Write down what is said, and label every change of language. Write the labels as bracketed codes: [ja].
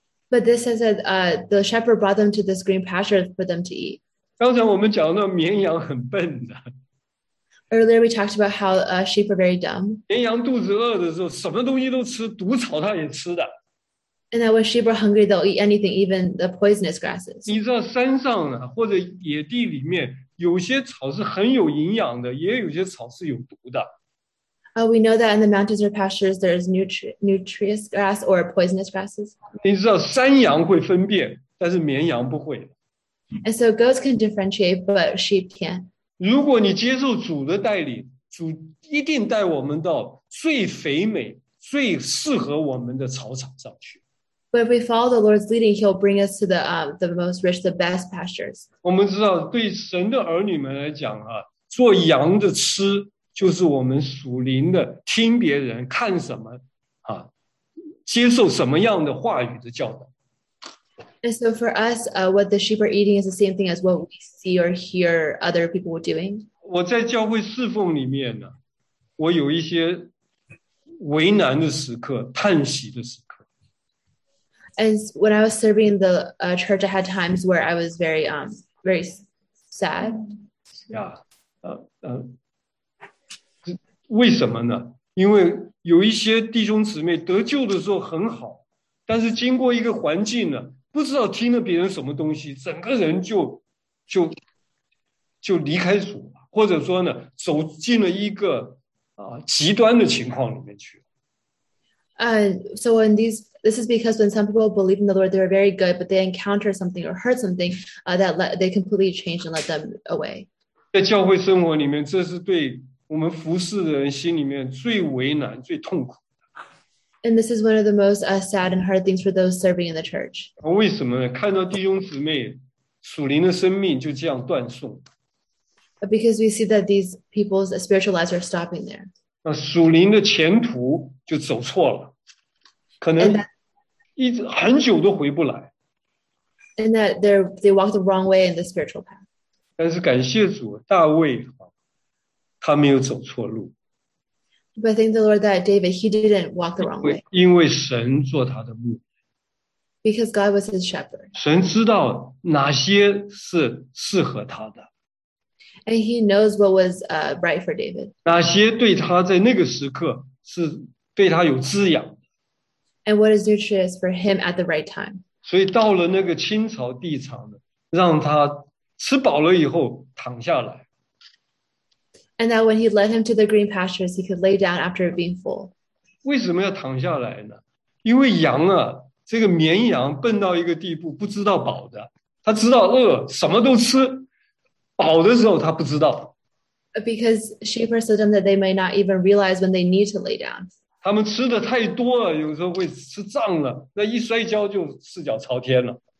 [en] But this says that the shepherd brought them to this green pasture for them to eat. [zh] 刚才我们讲到绵羊很笨的， [en] Earlier, we talked about how sheep are very dumb. [zh] 绵羊肚子饿的时候，什么东西都吃，毒草它也吃的。 [en] And that when sheep are hungry, they'll eat anything, even the poisonous grasses. [zh] 你知道山上啊，或者野地里面，有些草是很有营养的，也有些草是有毒的。 [en] We know that in the mountains or pastures, there's nutritious grass or poisonous grasses. [zh] 你知道山羊会分辨，但是绵羊不会。 [en] And so goats can differentiate, but sheep can't. [zh] 如果你接受主的带领，主一定带我们到最肥美、最适合我们的草场上去。 [en] But if we follow the Lord's leading, He'll bring us to the most rich, the best pastures. [zh] 我们知道，对神的儿女们来讲啊，做羊的吃就是我们属灵的，听别人看什么啊，接受什么样的话语的教导。 [en] And so for us, what the sheep are eating is the same thing as what we see or hear other people doing. [zh] 我在教会侍奉里面呢，我有一些为难的时刻、叹息的时刻。 [en] As when I was serving the church, I had times where I was very very sad. Yeah. [zh] 为什么呢？因为有一些弟兄姊妹得救的时候很好，但是经过一个环境呢，不知道听了别人什么东西，整个人就离开主，或者说呢，走进了一个极端的情况里面去。 [en] So when this is because when some people believe in the Lord, they are very good, but they encounter something or heard something that let they completely change and let them away. [zh] 在教会生活里面，这是对我们服侍的人心里面最为难、最痛苦的。 [en] And this is one of the most sad and hard things for those serving in the church. [zh] 为什么呢？看到弟兄姊妹属灵的生命就这样断送。 [en] Because we see that these people's spiritual lives are stopping there. [zh] 那属灵的前途就走错了，可能一直很久都回不来。 [en] And that they walk the wrong way in the spiritual path. [zh] 但是感谢主，大卫他没有走错路。 [en] But thank the Lord that David, he didn't walk the wrong way. [zh] 因为神做他的牧。 [en] Because God was his shepherd. [zh] 神知道哪些是适合他的。 [en] And he knows what was right for David. [zh] 哪些对他在那个时刻是对他有滋养。 [en] And what is nutritious for him at the right time. [zh] 所以到了那个青草地场的，让他吃饱了以后躺下来。 [en] And that when he led him to the green pastures, he could lay down after being full. [zh] 为什么要躺下来呢？因为羊啊，这个绵羊笨到一个地步，不知道饱的，他知道饿，什么都吃。饱的时候他不知道。 [en] Because sheep are so dumb that they may not even realize when they need to lay down. [zh] 他们吃的太多了，有时候会吃胀了，那一摔跤就四脚朝天了。